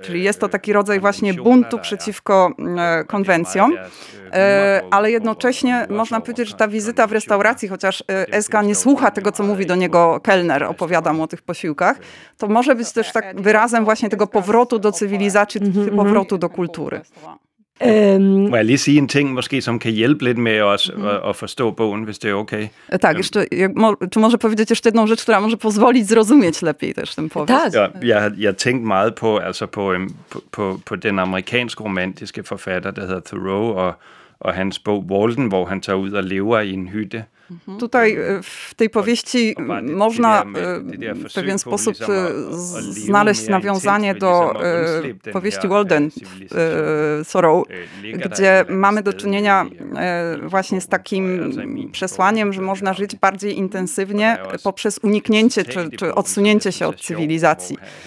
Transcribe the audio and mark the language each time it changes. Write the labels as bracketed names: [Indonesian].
[Polish] Czyli jest to taki rodzaj właśnie buntu przeciwko konwencjom, ale jednocześnie można powiedzieć, że ta wizyta w restauracji, chociaż Eska nie słucha tego, co mówi do niego kelner, opowiada mu o tych posiłkach, to może być też tak wyrazem właśnie tego powrotu do cywilizacji, powrotu do kultury. [Danish] Må jeg lige sige en ting, måske som kan hjælpe lidt med os at forstå bogen, hvis det er okay? [Polish] Tak, jeszcze, tu może powiedzieć jeszcze jedną rzecz, która może pozwolić zrozumieć lepiej też tę powieść. Tak. [Danish] Jeg tænkte meget på, altså på den amerikanske romantiske forfatter, der hedder Thoreau, og hans bog Walden, hvor han tager ud og lever i en hytte. [Polish] Tutaj w tej powieści można w pewien sposób znaleźć nawiązanie do powieści Walden Thoreau, gdzie mamy do czynienia właśnie z takim przesłaniem, że można żyć bardziej intensywnie poprzez uniknięcie czy odsunięcie się od cywilizacji.